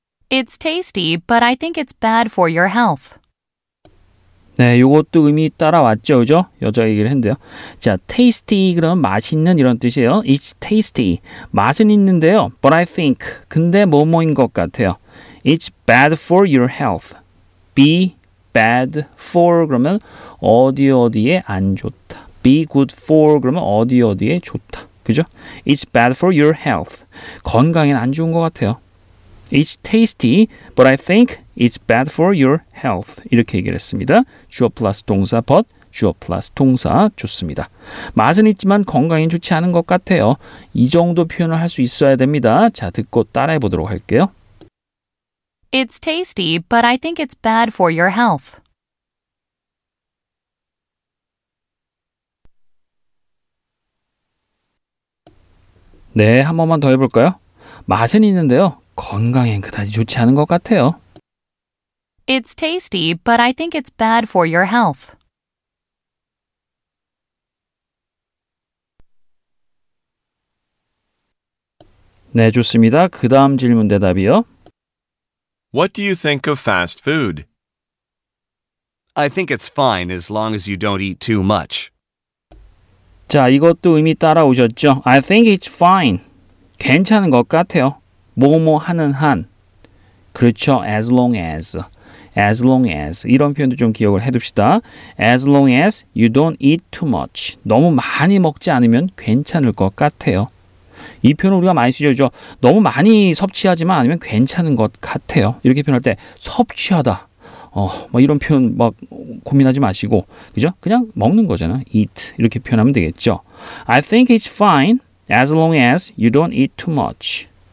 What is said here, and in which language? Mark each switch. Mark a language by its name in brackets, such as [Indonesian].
[English] It's tasty, but I think it's bad for your health. [Korean] 네, 이것도 의미 따라왔죠, 그죠? 여자 얘기를 했는데요. 자, tasty, 그럼 맛있는 이런 뜻이에요. [English] It's tasty. [Korean] 맛은 있는데요. [English] But I think, [Korean] 근데 뭐뭐인 것 같아요. [English] It's bad for your health. Be bad for [Korean] 그러면 어디 어디에 안 좋다. [English] Be good for [Korean] 그러면 어디 어디에 좋다. 그죠? [English] It's bad for your health. [Korean] 건강에는 안 좋은 것 같아요. [English] It's tasty, but I think it's bad for your health. [Korean] 이렇게 얘기를 했습니다. 주어 플러스 동사, but 주어 플러스 동사, 좋습니다. 맛은 있지만 건강에 좋지 않은 것 같아요. 이 정도 표현을 할 수 있어야 됩니다. 자, 듣고 따라해 보도록 할게요. [English] It's tasty, but I think it's bad for your health. [Korean] 네, 한 번만 더 해볼까요? 맛은 있는데요. 건강엔 그다지 좋지 않은 것 같아요. [English] It's tasty, but I think it's bad for your health. [Korean] 네, 좋습니다. 그 다음 질문 대답이요. [English] What do you think of fast food? I think it's fine as long as you don't eat too much. [Korean] 자, 이것도 의미 따라오셨죠? [English] I think it's fine. [Korean] 괜찮은 것 같아요. 뭐뭐 하는 한. 그렇죠. [English] As long as. As long as. [Korean] 이런 표현도 좀 기억을 해둡시다. [English] As long as you don't eat too much. [Korean] 너무 많이 먹지 않으면 괜찮을 것 같아요. 이 표현을 우리가 많이 쓰죠. 너무 많이 섭취하지만 아니면 괜찮은 것 같아요. 이렇게 표현할 때 섭취하다. 뭐 이런 표현 막 고민하지 마시고. 그죠? 그냥 먹는 거잖아. Eat. 이렇게 표현하면 되겠죠. [English] I think it's fine as long as you don't eat too much.